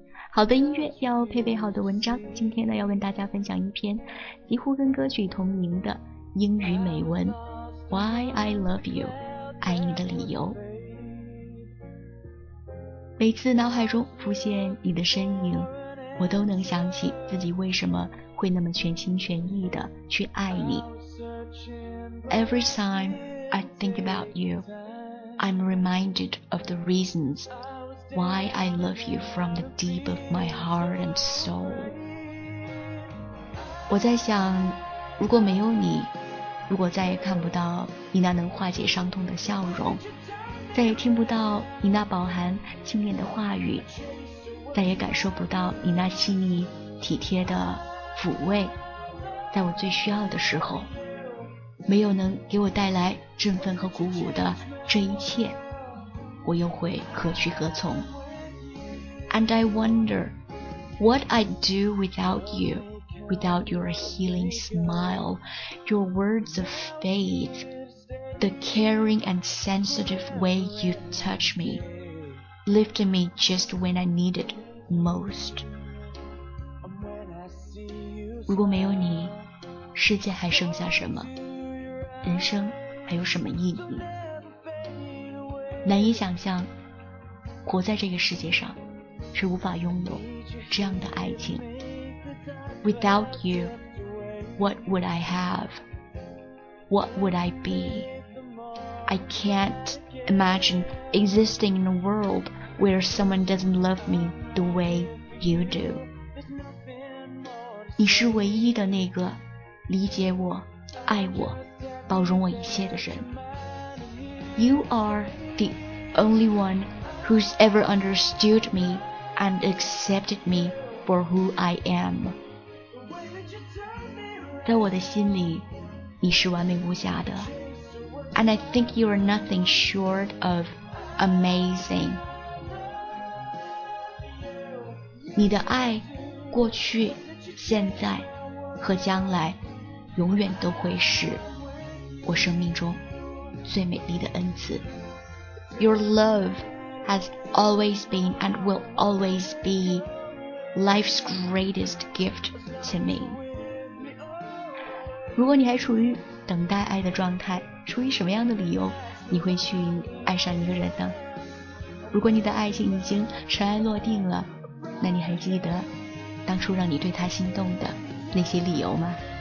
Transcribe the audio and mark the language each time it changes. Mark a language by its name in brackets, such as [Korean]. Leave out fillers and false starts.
[Chinese] 好的音乐要配备好的文章，今天呢要跟大家分享一篇几乎跟歌曲同名的英语美文 Why I Love You， 爱你的理由。每次脑海中浮现你的身影，我都能想起自己为什么会那么全心全意地去爱你。 [English] Every time I think about youI'm reminded of the reasons why I love you from the deep of my heart and soul. [Chinese] 我在想，如果没有你，如果再也看不到你那能化解伤痛的笑容，再也听不到你那饱含经验的话语，再也感受不到你那细腻体贴的抚慰，在我最需要的时候，没有能给我带来振奋和鼓舞的这一切，我又会何去何从。 [English] And I wonder what I'd do without you, without your healing smile, your words of faith, the caring and sensitive way you touch me, lifting me just when I need it most. [Chinese] 如果没有你，世界还剩下什么？人生还有什么意义？难以想象，活在这个世界上，是无法拥有这样的爱情。 [English] Without you, what would I have? What would I be? I can't imagine existing in a world where someone doesn't love me the way you do. [Chinese] 你是唯一的那个理解我、爱我、包容我一切的人。 [English] You are the only one who's ever understood me and accepted me for who I am. [Chinese] 在我的心里，你是完美无瑕的。 [English] And I think you are nothing short of amazing. [Chinese] 你的爱，过去、现在和将来，永远都会是我生命中最美丽的恩赐。 [English] Your love has always been and will always be life's greatest gift to me. [Chinese] 如果你还处于等待爱的状态，出于什么样的理由你会去爱上一个人呢？如果你的爱情已经尘埃落定了，那你还记得当初让你对他心动的那些理由吗？